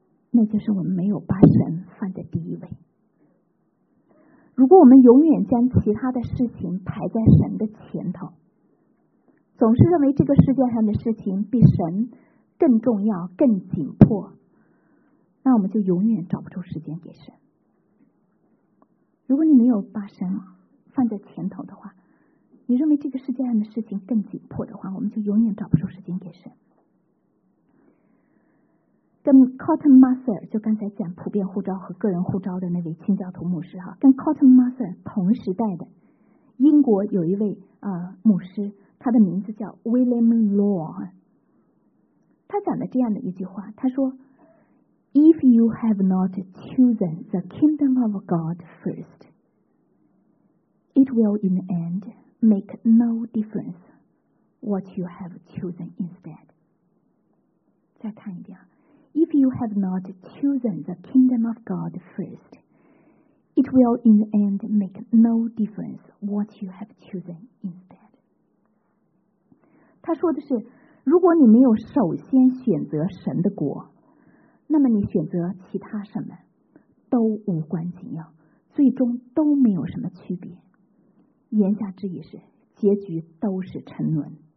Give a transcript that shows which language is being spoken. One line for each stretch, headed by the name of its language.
Chinese: 那就是我们没有把神放在第一位。如果我们永远将其他的事情排在神的前头，总是认为这个世界上的事情比神更重要、更紧迫，那我们就永远找不出时间给神。如果你没有把神放在前头的话，你认为这个世界上的事情更紧迫的话，我们就永远找不出时间给神。跟 Cotton Mather， 就刚才讲普遍护照和个人护照的那位清教徒牧师哈，跟 Cotton Mather 同时代的英国有一位牧师，他的名字叫 William Law， 他讲了这样的一句话，他说
English: If you have not chosen the kingdom of God first, it will in the end make no difference what you have chosen instead。
Chinese: 再看一遍，
English: If you have not chosen the kingdom of God first, it will in the end make no difference what you have chosen instead。
Chinese: 他说的是，如果你没有首先选择神的国，那么你选择其他什么都无关紧要，最终都没有什么区别，言下之意是结局都是沉沦。